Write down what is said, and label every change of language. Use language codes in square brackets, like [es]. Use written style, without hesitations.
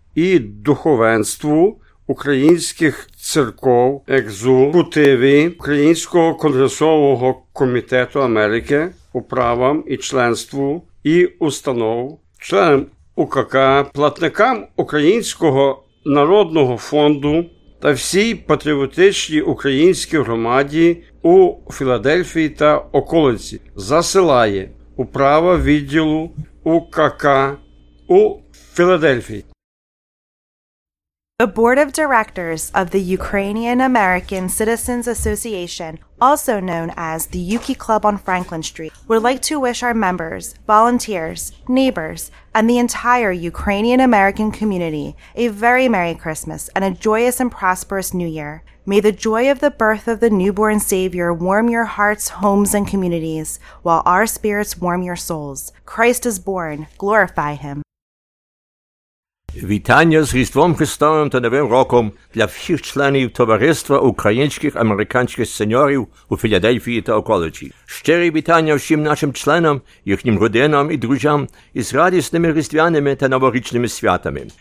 [uk] і духовенству українських церков, екзекутиві Українського конгресового комітету Америки, управам і членству і установ, членам УКК, платникам Українського народного фонду та всій патріотичній українській громаді у Філадельфії та околиці, засилає управа відділу УКК у Філадельфії. [en] The Board of Directors of the Ukrainian American Citizens Association, also known as the Yuki Club on Franklin Street, would like to wish our members, volunteers, neighbors, and the entire Ukrainian American community a very Merry Christmas and a joyous and prosperous New Year. May the joy of the birth of the newborn Savior warm your hearts, homes, and communities, while our spirits warm your souls. Christ is born. Glorify Him. [uk] Вітання з Різдвом Христовим та Новим Роком для всіх членів Товариства Українських Американських Сеньорів у Філадельфії та околиці. Щирі вітання всім нашим членам, їхнім родинам і друзям із радісними різдвяними та новорічними святами.